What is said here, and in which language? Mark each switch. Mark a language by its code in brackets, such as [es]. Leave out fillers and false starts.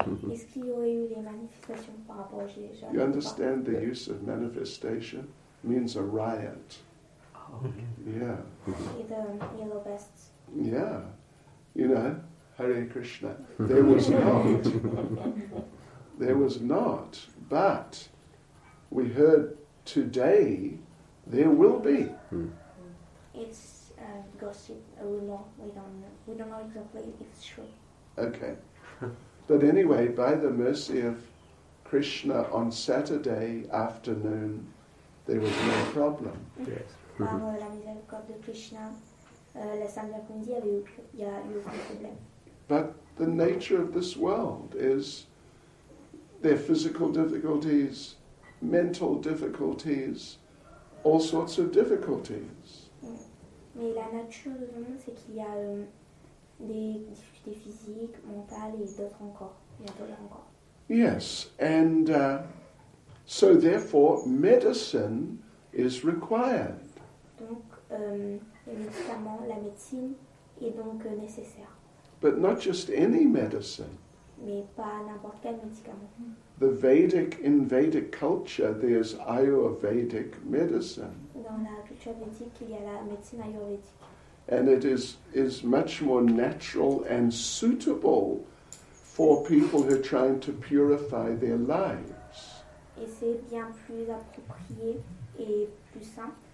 [fr] Est-ce qu'il y aurait eu des manifestations par rapport aux gilets jaunes? [en] You understand the use of manifestation means a riot. Yeah. The yellow vests. Yeah. You know, Hare Krishna. There was not. There was not. But we heard today there will be. It's a gossip, a rumor. We don't know exactly if it's true. Okay. But anyway, by the mercy of Krishna, on Saturday afternoon, there was no problem. Yes. [fr] La miséricorde de Krishna, le samedi après-midi, il y a eu aucun problème. [en] But the nature of this world is their physical difficulties, mental difficulties, all sorts of difficulties. [fr] Mais la nature du monde, c'est qu'il y a des difficultés physiques, mentales et d'autres encore. [en] Yes, and so therefore, medicine is required. [fr] La médecine est donc nécessaire. [en] But not just any medicine. [fr] Mais pas n'importe quel médicament. [en] In Vedic culture, there's Ayurvedic medicine. [fr] Dans la culture védique, il y a la médecine ayurvédique. [en] And it is much more natural and suitable for people who are trying to purify their lives. [fr] Et c'est bien plus approprié et plus simple.